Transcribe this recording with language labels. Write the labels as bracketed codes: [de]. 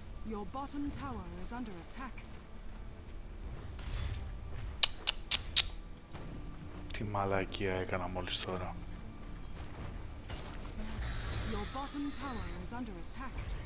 [en] Your bottom tower is under attack. [el] Τι μαλακία έκανα μόλις τώρα. [en] Your bottom tower is under attack.